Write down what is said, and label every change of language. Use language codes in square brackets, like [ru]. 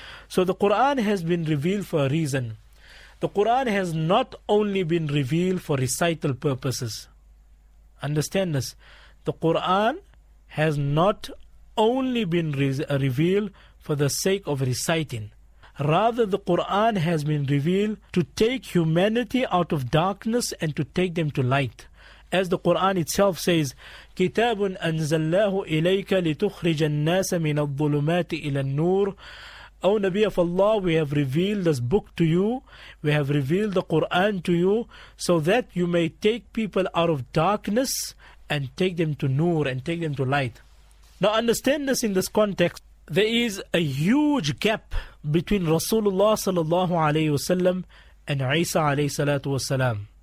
[en] So the Quran has been revealed for a reason. The Quran has not only been revealed for recital purposes. Understand this. The Quran has not only been revealed for the sake of reciting. Rather, the Quran has been revealed to take humanity out of darkness and to take them to light. As the Quran itself says, [ar] كِتَابٌ أَنزَلَّاهُ إِلَيْكَ لِتُخْرِجَ النَّاسَ مِنَ الظُّلُمَاتِ إِلَى النُّورِ. [en] O Nabi of Allah, we have revealed this book to you. We have revealed the Quran to you so that you may take people out of darkness and take them to Noor and take them to light. Now understand this in this context. There is a huge gap between Rasulullah sallallahu alayhi wa sallam and Isa alayhi salatu wa sallam.